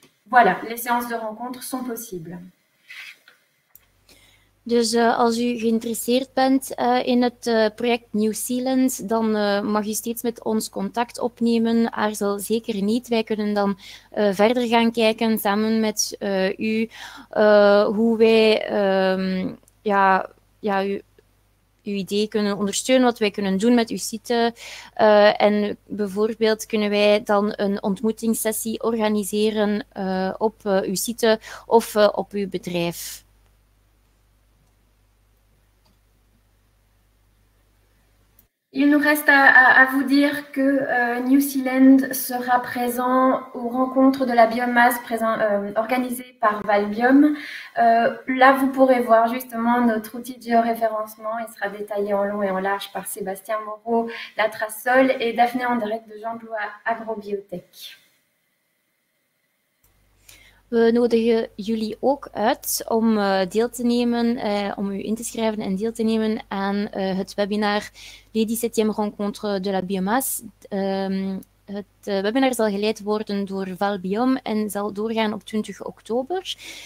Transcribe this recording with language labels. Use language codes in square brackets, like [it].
[fr] Voilà, les séances de rencontre sont possibles. [nl] Dus als u geïnteresseerd bent in het project New Zealand, dan mag u steeds met ons contact opnemen. Aarzel zeker niet. Wij kunnen dan verder gaan kijken samen met u hoe wij uw idee kunnen ondersteunen, wat wij kunnen doen met uw site. En bijvoorbeeld kunnen wij dan een ontmoetingssessie organiseren op uw site of op uw bedrijf. [fr] Il nous reste à vous dire que New Zealand sera présent aux rencontres de la biomasse organisées par Valbiome. Là, vous pourrez voir justement notre outil de géoréférencement. Il sera détaillé en long et en large par Sébastien Moreau, La Trace Sol et Daphné Andrec de Jean-Blois Agrobiotech. [nl] We nodigen jullie ook uit om deel te nemen, om u in te schrijven en deel te nemen aan het webinar Les 17e Rencontres de la Biomasse. Het webinar zal geleid worden door Valbiome en zal doorgaan op 20 oktober.